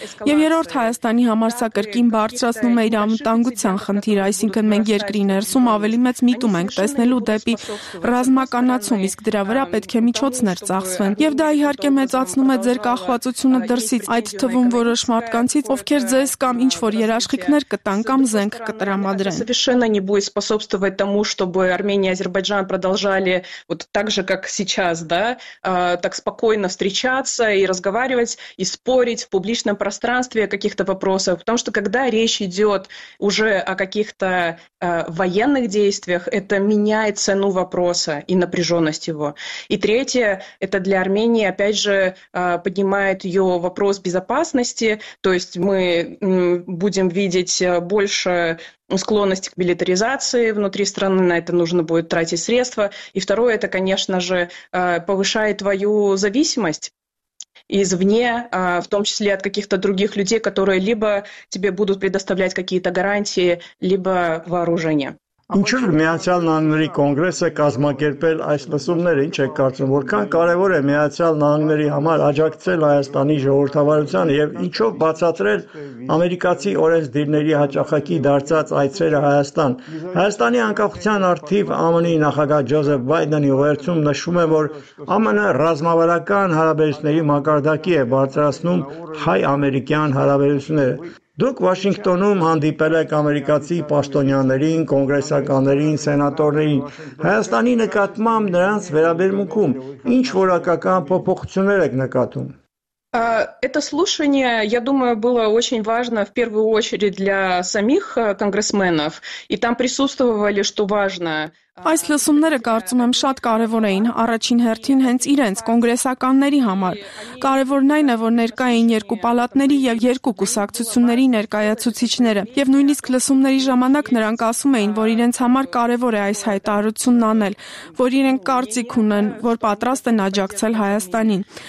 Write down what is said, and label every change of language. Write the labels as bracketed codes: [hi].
[hy] Եվ երրորդ, Հայաստանի համար սա կրկին բարձրացնում է իր անվտանգության խնդիրը, այսինքն մենք երկրի ներսում ավելի մեծ միտում ենք տեսնելու դեպի ռազմականացում, իսկ դրա վրա պետք է միջոցներ ծախսվեն։ Եվ դա իհարկե մեծացնում է ձեր կախվածությունը դրսից, այդ թվում որոշ մարդկանցից, ովքեր ձեզ կամ ինչ-որ երաշխիքներ կտան կամ զենք կտրամադրեն։ [ru] Совершенно не будет способствовать тому, чтобы Армения и Азербайджан продолжали вот так же, как сейчас, да, так спокойно встречаться и разговаривать и спорить в публичном пространстве о каких-то вопросах, потому что когда речь идёт уже о каких-то военных действиях, это меняет цену вопроса и напряженность его. И третье, это для Армении, опять же, поднимает ее вопрос безопасности, то есть мы будем видеть больше склонности к милитаризации внутри страны, на это нужно будет тратить средства. И второе, это, конечно же, повышает твою зависимость извне, в том числе от каких-то других людей, которые либо тебе будут предоставлять какие-то гарантии, либо вооружение. [hy] Ինչու՞ Միացյալ Նահանգների կոնգրեսը կազմակերպել այս լսումները, ինչ եք կարծում, որքան կարևոր է Միացյալ Նահանգների համար աջակցել Հայաստանի ժողովրդավարության և ինչով բացատրել ամերիկացի օրենսդիրների հաճախակի դարձած այցերը Հայաստան։ Հայաստանի անկախության արթիվ ԱՄՆ-ի նախագահ Ջոզեֆ Բայդենի ուղերձում նշում է, որ ԱՄՆ-ը ռազմավարական հարաբերությունների մակարդակի է բարձրացնում հայ-ամերիկյան հարաբերությունները։ Դուք Վաշինգտոնում հանդիպել եք ամերիկացի պաշտոնյաներին, կոնգրեսականներին, սենատորներին, Հայաստանի նկատմամբ նրանց վերաբերմունքում ինչ որակական փոփոխություններ եք նկատում։ [ru] Это слушание, я думаю, было очень важно в первую очередь для самих конгрессменов, и там присутствовали, что важно. [hy] Այս լսումները, կարծում եմ, շատ կարևոր էին առաջին հերթին հենց իրենց կոնգրեսականների համար։ Կարևորն այն է, որ ներկա էին երկու պալատների եւ երկու կուսակցությունների ներկայացուցիչները, եւ նույնիսկ լսումների ժամանակ նրանք ասում էին, որ իրենց համար կարևոր է այս հայտարարությունն անել, որ իրենք կարծիք ունեն, որ պատրաստ են աջակցել Հայաստանին։